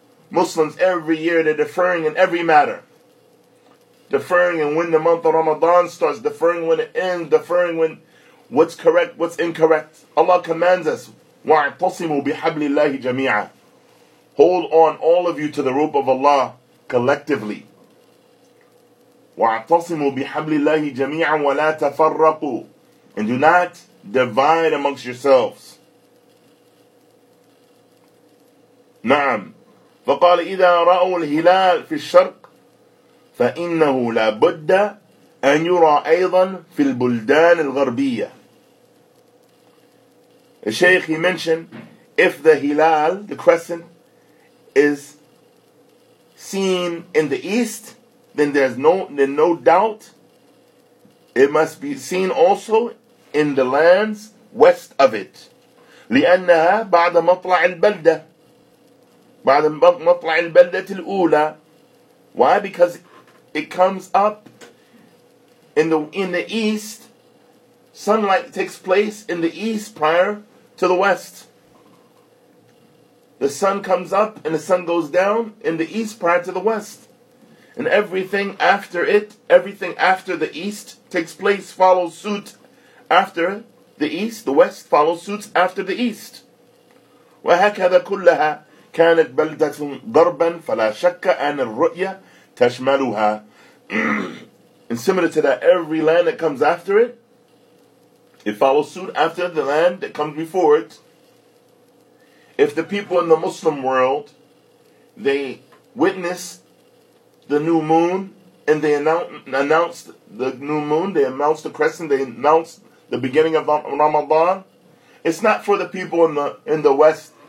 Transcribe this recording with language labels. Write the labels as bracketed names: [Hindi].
[English] Muslims every year, they're deferring in every matter. Deferring in when the month of Ramadan starts, deferring when it ends, deferring when what's correct, what's incorrect. Allah commands us, [Arabic] وَاعْتَصِمُوا بِحَبْلِ اللَّهِ جَمِيعًا. [English] Hold on, all of you, to the rope of Allah collectively. [Arabic] وَاعْتَصِمُوا بِحَبْلِ اللَّهِ جَمِيعًا وَلَا تَفَرَّقُوا. [English] And do not divide amongst yourselves. [Arabic] نعم فقال إذا رأوا الهلال في الشرق فإنه لابد أن يرى أيضا في البلدان الغربية. [English] The Shaykh, he mentioned, if the hilal, the crescent, is seen in the east, then there's no doubt it must be seen also in the lands west of it. [Arabic] لأنها بعد مطلع البلدة. بعد مطلع البلدة الأولى. [English] Why? Because it comes up in the east. Sunlight takes place in the east prior to the west. The sun comes up and the sun goes down in the east prior to the west. And everything after it, everything after the east takes place, follows suit after the east. The west follows suit after the east. [Arabic] وهكذا كلها كانت بلدة غربا فلا شك أن الرؤية تشملها. [English] And similar to that, every land that comes after it, it follows suit after the land that comes before it. If the people in the Muslim world, they witness the new moon and they announced the new moon, they announced the crescent, they announced the beginning of Ramadan, it's not for the people in the West.